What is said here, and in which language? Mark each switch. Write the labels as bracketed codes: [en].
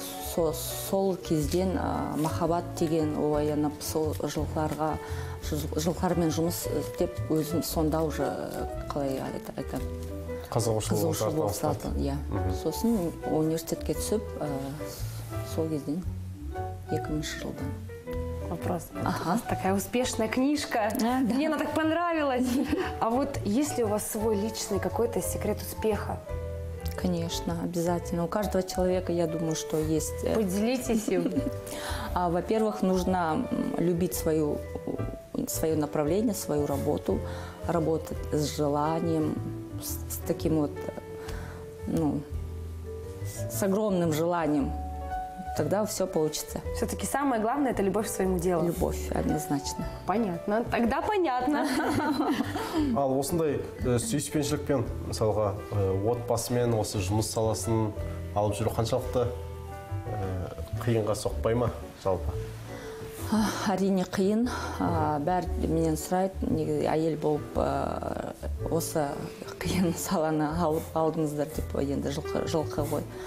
[kk] Сол кезден махаббат деген оянып, сол жылқыларға, жылқылармен жұмыс істеп, өзім сонда уже қалай айтам. Қызығушылығым басталды. Иә. Сосын университетке түсіп, сол кезден 2000 жылдан. [ru] Вопрос. Ага. Такая успешная книжка. Да, мне да. Она так понравилась. А вот есть ли у вас свой личный какой-то секрет успеха? Конечно, обязательно. У каждого человека, я думаю, что есть. Поделитесь им. Во-первых, нужно любить свое направление, свою работу. Работать с желанием, с таким вот, с огромным желанием. Тогда все получится. Все-таки самое главное – это любовь к своему делу. Любовь, однозначно. Понятно. Тогда понятно. [kk] Ал, осындай сүйіспеншілікпен, мысалға, отбасымен, осы жұмыс саласын алып жүру қаншалықты қиынға соқпай ма, жалпы? Әрине қиын. Бәрі менен сұрайды, неге әйел болып осы қиын саланы алдыңыздар деп, енді жылқы ғой.